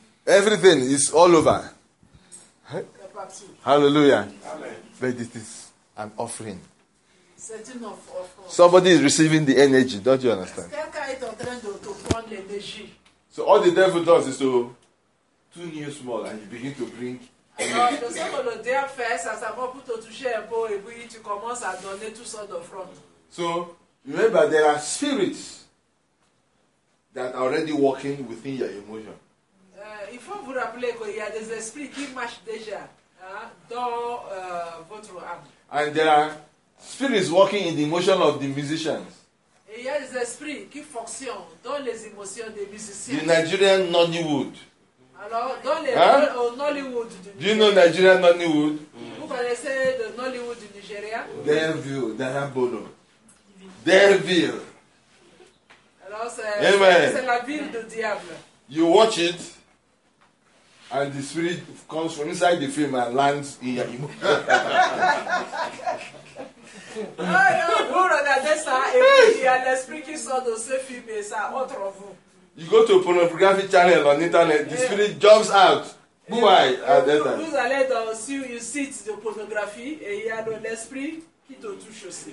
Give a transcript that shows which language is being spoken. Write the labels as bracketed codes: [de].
[en] Everything is all over. Hallelujah. Amen. But it is an offering. [fr] C'est une offre. [en] Somebody is receiving the energy. Don't you understand? [fr] Quelqu'un est en train de prendre l'énergie. [en] So all the devil does is to tune you small and you begin to bring. [fr] Alors, le diable fait, ça s'avance pour te toucher un peu et puis tu commences à donner tout ça d'offrande. [en] So, remember, there are spirits that are already working within your emotion. [fr] Il faut vous rappeler qu'il y a des esprits qui marchent déjà dans votre âme. [en] And there are spirits working in the emotion of the musicians. [fr] Et il y a des esprits qui fonctionnent dans les émotions des musiciens. [en] The Nigerian Nollywood. [fr] Alors, dans les Nollywood du Nigeria. [en] Do you know Nigerian Nollywood? [fr] Mm. Vous connaissez le Nollywood du Nigeria? [en] Devil, Darabolo. Devil. [fr] Alors, c'est la ville du diable. [en] You watch it. And the spirit comes from inside the film and lands in your emotion. [fr] Oh, yeah, vous regardez ça et puis il y a l'esprit qui sort de ce film et ça entre vous. [en] You go to a pornography channel on internet, the spirit jumps out. Who am I? [fr] Vous allez dans un site de pornographie et il y a l'esprit qui te touche aussi.